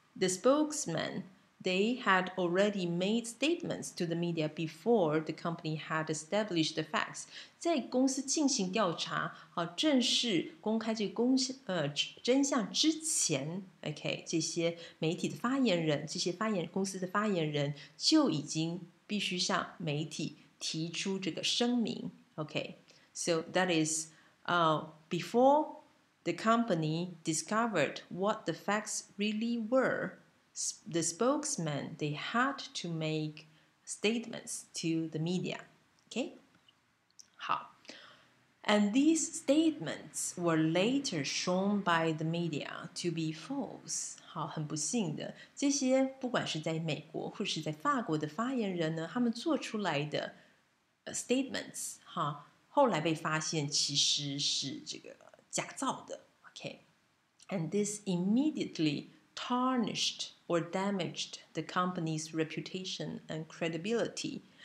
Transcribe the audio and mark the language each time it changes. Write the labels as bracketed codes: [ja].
[en] The spokesman, they had already made statements to the media before the company had established the facts. [zh] 在公司进行调查，好，正式公开这个公司真相之前 ，OK， 这些媒体的发言人，这些发言公司的发言人就已经必须向媒体提出这个声明 ，OK. [en] So that is, before. The company discovered what the facts really were. The spokesman, they had to make statements to the media. Okay? 好. And these statements were later shown by the media to be false. [zh] 好，很不幸的，这些不管是在美国或是在法国的发言人呢，他们做出来的 statements, 好，后来被发现其实是这个假造的。 [en] And this immediately tarnished or damaged the company's reputation and credibility.